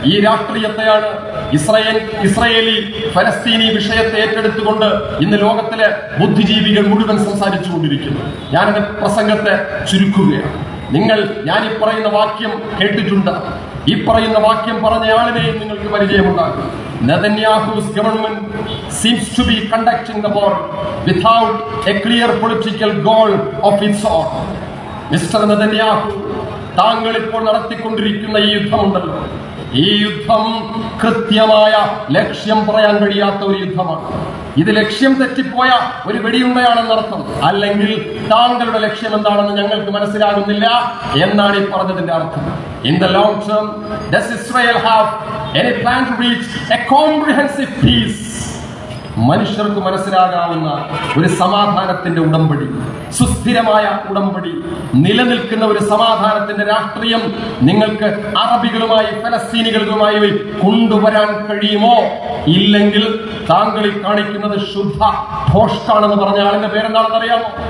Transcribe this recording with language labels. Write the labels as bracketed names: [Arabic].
[Malayalam] ഈ രാഷ്ട്രീയത്തെയാണ് ഇസ്രയേലി ഫലസ്തീനി വിഷയത്തെ ഏറ്റെടുത്തുകൊണ്ട് ഇന്ന് ലോകത്തിലെ ബുദ്ധിജീവികൾ മുഴുവൻ സംസാരിച്ചു കൊണ്ടിരിക്കുന്നത്. ഞാൻ എന്റെ പ്രസംഗത്തെ ചുരുക്കുകയാണ്. നിങ്ങൾ ഞാൻ ഈ പറയുന്ന വാക്യം കേട്ടിട്ടുണ്ട്. ഈ പറയുന്ന വാക്യം പറഞ്ഞയാളിനെയും നിങ്ങൾക്ക് പരിചയമുണ്ടാകും. [English] Netanyahu's government seems to be conducting the war without a clear political goal of its own. Mr. [Malayalam] Netanyahu, താങ്കൾ ഇപ്പോൾ നടത്തിക്കൊണ്ടിരിക്കുന്ന ഈ യുദ്ധമുണ്ടല്ലോ, ഈ യുദ്ധം കൃത്യമായ ലക്ഷ്യം പറയാൻ കഴിയാത്ത ഒരു യുദ്ധമാണ്. ഇത് ലക്ഷ്യം തെറ്റിപ്പോയ ഒരു വെടിയുണ്ടയാണെന്ന് അർത്ഥം, അല്ലെങ്കിൽ താങ്കളുടെ ലക്ഷ്യം എന്താണെന്ന് ഞങ്ങൾക്ക് മനസ്സിലാകുന്നില്ല എന്നാണ് ഈ പറഞ്ഞതിന്റെ അർത്ഥം. [English] In the long term, does Israel have any plan to reach a comprehensive peace? [Malayalam] മനുഷ്യർക്ക് മനസ്സിലാകാവുന്ന ഒരു സമാധാനത്തിന്റെ ഉടമ്പടി, സുസ്ഥിരമായ ഉടമ്പടി, നിലനിൽക്കുന്ന ഒരു സമാധാനത്തിന്റെ രാഷ്ട്രീയം നിങ്ങൾക്ക് അറബികളുമായി ഫലസ്തീനികളുമായി കൊണ്ടുവരാൻ കഴിയുമോ? ഇല്ലെങ്കിൽ താങ്കൾ ഈ കാണിക്കുന്നത് ശുദ്ധ ഭോഷ്കാണെന്ന് പറഞ്ഞ ആളിന്റെ പേരെന്താണെന്ന് അറിയാമോ?